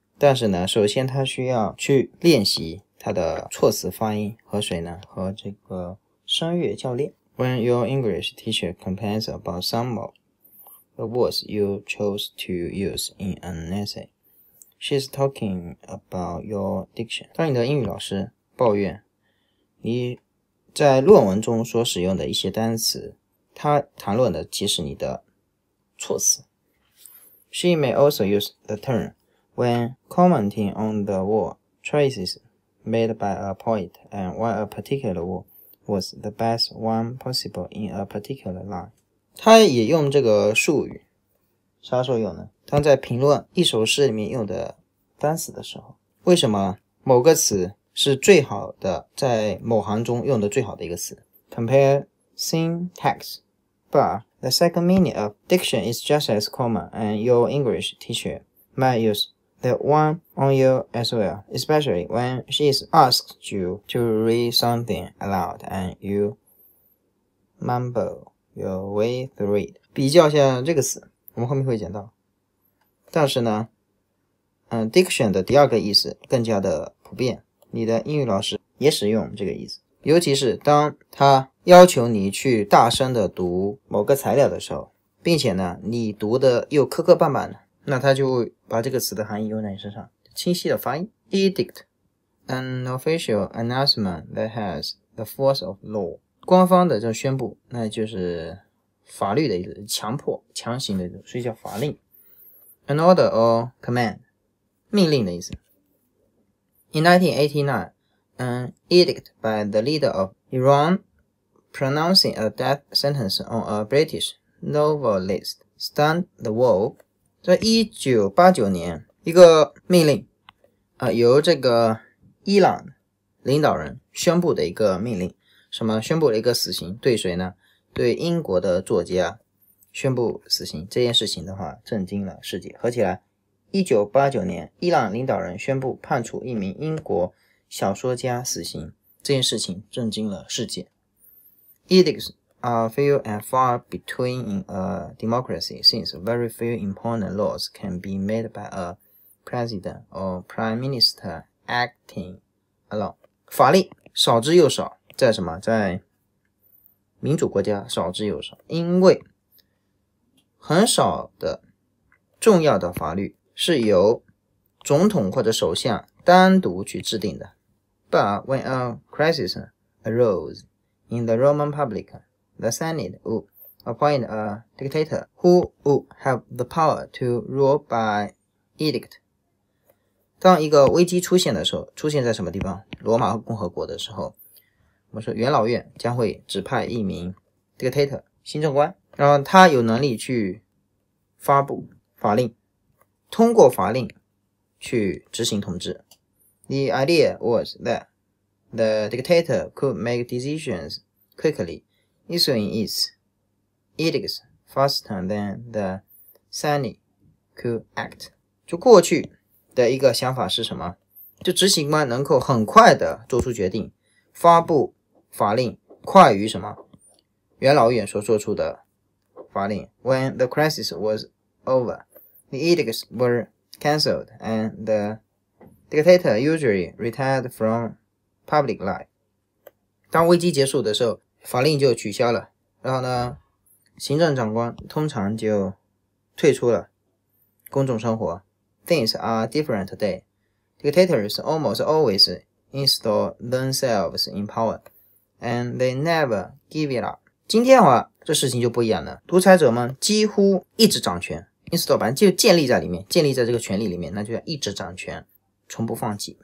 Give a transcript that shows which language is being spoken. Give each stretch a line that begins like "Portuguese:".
Chinese: 但是呢，首先他需要去练习他的措辞发音和谁呢？和这个。声乐教练。
English: When your English teacher complains about some of the words you chose to use in an essay, she's talking about your diction.
Chinese: 当你的英语老师抱怨你在论文中所使用的一些单词，他谈论的其实你的措辞。
English: She may also use the term when commenting on the word choices made by a poet and why a particular wordwas the best one possible in a particular line.
Chinese: 他也用这个术语，啥时候用呢？他在评论一首诗里面用的单词的时候，为什么某个词是最好的，在某行中用的最好的一个词。
English: Compare syntax, but the second meaning of diction is just as common, and your English teacher might use the one on you as well, especially when she is asked you to read something aloud and you mumble your way through it.
Chinese: 比较一下这个词，我们后面会讲到。但是呢，diction 的第二个意思更加的普遍，你的英语老师也使用这个意思，尤其是当他要求你去大声的读某个材料的时候，并且呢，你读的又磕磕绊绊的。那他就把这个词的含义用在你身上，清晰的发音。
English: Edict, an official announcement that has the force of law.
Chinese: 官方的叫宣布，那就是法律的意思，强迫、强行的意思，所以叫法令。
English: An order or command,
Chinese: 命令的意思。
English: In 1989, an edict by the leader of Iran pronouncing a death sentence on a British novelist stunned the world.
Chinese: 在1989年一个命令由这个伊朗领导人宣布的一个命令，什么宣布了一个死刑，对谁呢？对英国的作家宣布死刑。这件事情的话震惊了世界。合起来1989年伊朗领导人宣布判处一名英国小说家死刑，这件事情震惊了世界。
English: Edicts are few and far between in a democracy, since very few important laws can be made by a president or prime minister acting alone.
Chinese: 法令少之又少，在什么？在民主国家少之又少，因为很少的重要的法律是由总统或者首相单独去制定的。
English: But when a crisis arose in the Roman Republic,The Senate would appoint a dictator who would have the power to rule by edict.
Chinese: 当一个危机出现的时候，出现在什么地方？罗马共和国的时候，我们说元老院将会指派一名 dictator, 行政官，然后他有能力去发布法令，通过法令去执行统治。
English: The idea was that the dictator could make decisions quickly. Issuing its edicts faster than the Senate could act.
Chinese: 就过去的一个想法是什么？就执行官能够很快的做出决定，发布法令快于什么？元老院所做出的法令。
English: When the crisis was over, the edicts were cancelled and the dictator usually retired from public life.
Chinese: 当危机结束的时候，法令就取消了，然后呢，行政长官通常就退出了公众生活。
English: Things are different today. Dictators almost always install themselves in power, and they never give it up.
Chinese: 今天的话，这事情就不一样了。独裁者们几乎一直掌权 ，install 就建立在里面，建立在这个权力里面，那就要一直掌权，从不放弃。